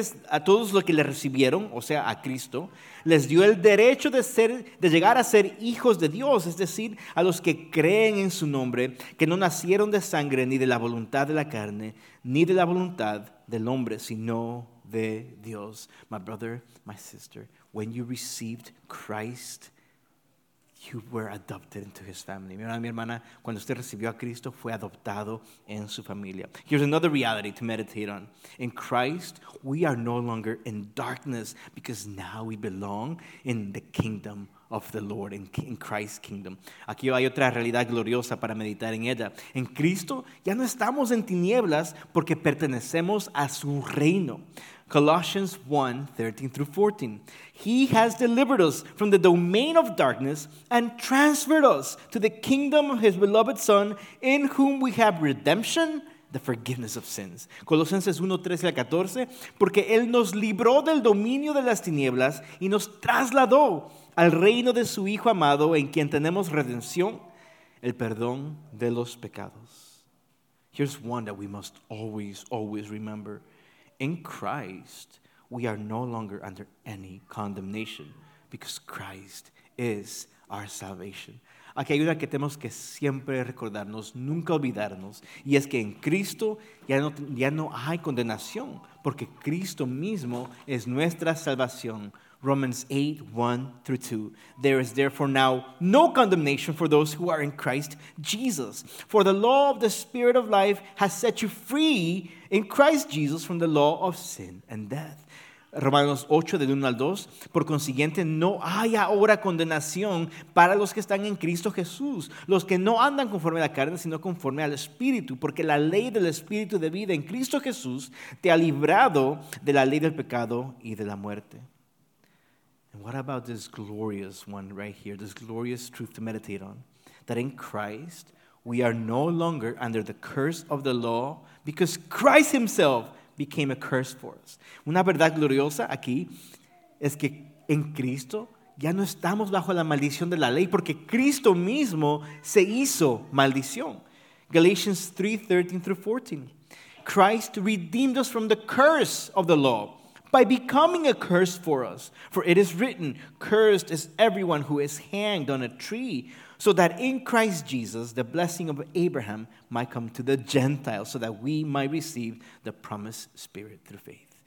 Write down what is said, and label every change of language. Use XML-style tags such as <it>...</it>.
<es>A todos los que le recibieron, o sea, a Cristo, les dio el derecho de llegar a ser hijos de Dios, es decir, a los que creen en su nombre, que no nacieron de sangre ni de la voluntad de la carne, ni de la voluntad del hombre, sino de Dios.</es> <en>My brother, my sister, when you received Christ, you were adopted into his family.</en> <es>Mi hermana, cuando usted recibió a Cristo, fue adoptado en su familia.</es> <en>Here's another reality to meditate on. In Christ, we are no longer in darkness because now we belong in the kingdom of the Lord in Christ's kingdom.</en> <es>Aquí hay otra realidad gloriosa para meditar en ella. En Cristo ya no estamos en tinieblas porque pertenecemos a su reino.</es> <en>Colossians 1:13-14. He has delivered us from the domain of darkness and transferred us to the kingdom of his beloved Son, in whom we have redemption, the forgiveness of sins.</en> <es>Colosenses 1:13-14. Porque él nos libró del dominio de las tinieblas y nos trasladó al reino de su Hijo amado, en quien tenemos redención, el perdón de los pecados.</es> <en>Here's one that we must always, always remember. In Christ, we are no longer under any condemnation, because Christ is our salvation.</en> <es>Aquí hay una que tenemos que siempre recordarnos, nunca olvidarnos, y es que en Cristo ya no hay condenación, porque Cristo mismo es nuestra salvación.</es> <en>Romans 8:1-2. There is therefore now no condemnation for those who are in Christ Jesus. For the law of the Spirit of life has set you free in Christ Jesus from the law of sin and death.</en> <es>Romanos 8:1-2. Por consiguiente, no hay ahora condenación para los que están en Cristo Jesús, los que no andan conforme a la carne, sino conforme al Espíritu, porque la ley del Espíritu de vida en Cristo Jesús te ha librado de la ley del pecado y de la muerte.</es> <en>What about this glorious one right here, this glorious truth to meditate on? That in Christ, we are no longer under the curse of the law, because Christ himself became a curse for us.</en> <es>Una verdad gloriosa aquí es que en Cristo ya no estamos bajo la maldición de la ley, porque Cristo mismo se hizo maldición.</es> <en>Galatians 3:13-14. Christ redeemed us from the curse of the law, by becoming a curse for us. For it is written, cursed is everyone who is hanged on a tree, so that in Christ Jesus the blessing of Abraham might come to the Gentiles, so that we might receive the promised Spirit through faith.</en>